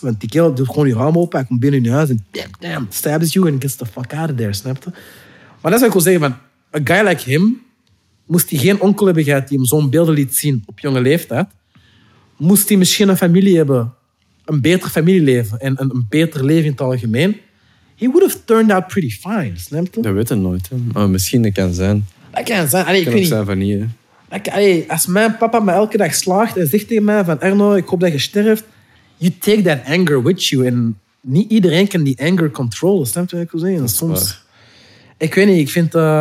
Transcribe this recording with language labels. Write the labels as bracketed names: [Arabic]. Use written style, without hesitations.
[Dutch] Want die kerel doet gewoon je raam open. Hij komt binnen in je huis en... [English] Damn, stabs you and gets the fuck out of there, [Dutch] snap je? Maar dat is wat ik wil zeggen. Van, [English] a guy like him... [Dutch] Moest hij geen onkel hebben gehad die hem zo'n beelden liet zien op jonge leeftijd... Moest hij misschien een familie hebben... Een beter familieleven en een beter leven in het algemeen... [English] He would have turned out pretty fine, [Dutch] snap je? Dat weet je nooit, hè. Maar misschien, dat kan zijn. Dat kan zijn. Allee, ik kan ook zijn van hier. Als mijn papa me elke dag slaagt en zegt tegen mij van... Erno, ik hoop dat je sterft. [English] You take that anger with you. [Dutch] En niet iedereen kan die anger controlen, snap je wat ik wil zeggen? Soms... Waar. Ik weet niet, ik vind...